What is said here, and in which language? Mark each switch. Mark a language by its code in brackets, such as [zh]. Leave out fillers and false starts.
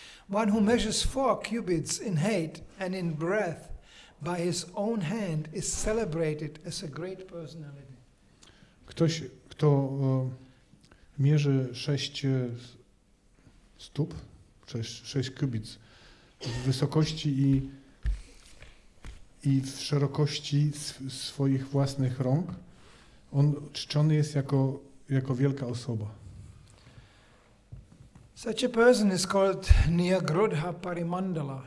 [en] One who measures 4 cubits in height and in breadth by his own hand is celebrated as a great personality. [pl] Ktoś, kto mierzy 6 stóp, 6 cubits w wysokości i w szerokości swoich własnych rąk, on czczony jest jako wielka osoba. [en] Such a person is called Niyagrodha Parimandala.